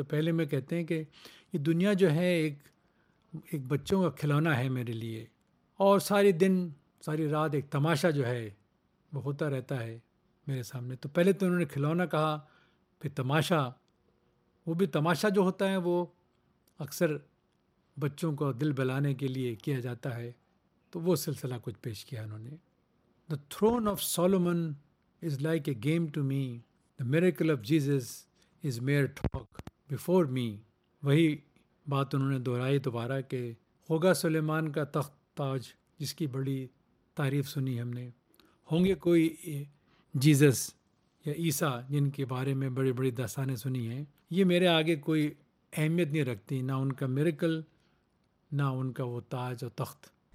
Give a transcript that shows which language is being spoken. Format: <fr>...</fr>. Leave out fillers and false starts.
<ur>تو پہلے میں کہتے ہیں کہ یہ دنیا جو ہے ایک بچوں کا کھلونا ہے میرے لیے, اور ساری دن ساری رات ایک تماشا جو ہے وہ ہوتا رہتا ہے میرے سامنے. تو پہلے تو انہوں نے کھلونا کہا, پھر تماشا. وہ بھی تماشا جو ہوتا ہے وہ اکثر بچوں کو دل بہلانے کے لیے کیا جاتا ہے, تو وہ سلسلہ کچھ پیش کیا انہوں نے.</ur> <en>The throne of Solomon is like a game to me, the miracle of Jesus is mere talk before me.</en> <ur>وہی بات انہوں نے دہرائی دوبارہ کہ ہوگا سلیمان کا تخت تاج جس کی بڑی تعریف سنی ہم نے, ہوں گے کوئی جیزس یا عیسیٰ جن کے بارے میں بڑی بڑی داستانیں سنی ہیں, یہ میرے آگے کوئی اہمیت نہیں رکھتی, نہ ان کا میریکل نہ ان کا وہ تاج اور تخت.</ur>